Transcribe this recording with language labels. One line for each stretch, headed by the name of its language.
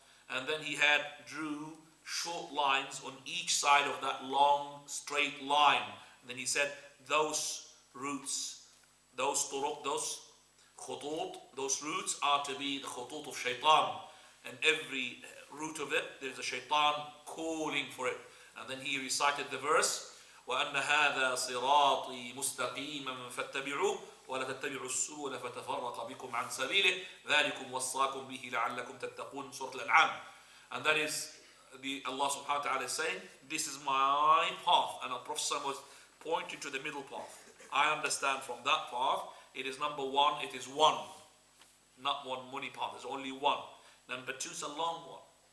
English: And then he had drew short lines on each side of that long, straight line. And then he said, those routes, those turuq, those khutut, those routes are to be the khutut of shaitan. And every root of it, there's a shaitan calling for it. And then he recited the verse,
Arabic: وَأَنَّ هَذَا صِرَاطِي مُسْتَقِيمًا فَاتَّبِعُوهُ وَلَا تَتَّبِعُوا السُّوَلَ فَتَفَرَّقَ بِكُمْ عَنْ سَبِيلِهِ ذَلِكُمْ وَصَّاكُمْ بِهِ لَعَلَّكُمْ تَتَّقُونَ سُورَةُ الْأَنْعَامِ.
English: And that is the Allah subhanahu wa ta'ala is saying, this is my path. And the Prophet was pointing to the middle path. I understand from that path, it is number one, it is one. Not one money path, there's only one. Number two is a long one.